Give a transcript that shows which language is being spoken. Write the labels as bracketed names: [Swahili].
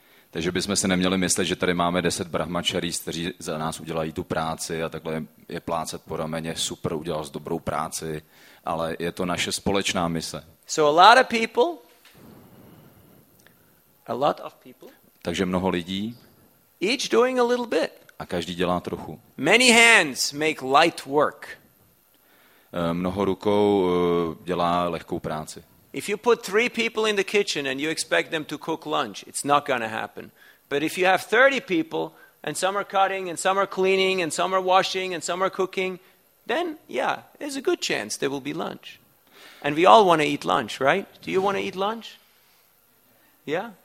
[Czech] Takže bychom se neměli myslet, že tady máme 10 brahmacharis, kteří za nás udělají tu práci a takhle je plácet po rameně, super, udělal jsi dobrou práci, ale je to naše společná mise. [English] So a lot of people, a lot of people. [Czech] Takže mnoho lidí. [English] Each doing a little bit. [Czech] A každý dělá trochu. [English] Many hands make light work. [Czech] Mnoho rukou dělá lehkou práci. [English] If you put 3 people in the kitchen and you expect them to cook lunch, it's not going to happen. But if you have 30 people and some are cutting and some are cleaning and some are washing and some are cooking, then yeah, there's a good chance there will be lunch. And we all want to eat lunch, right? Do you want to eat lunch? Yeah?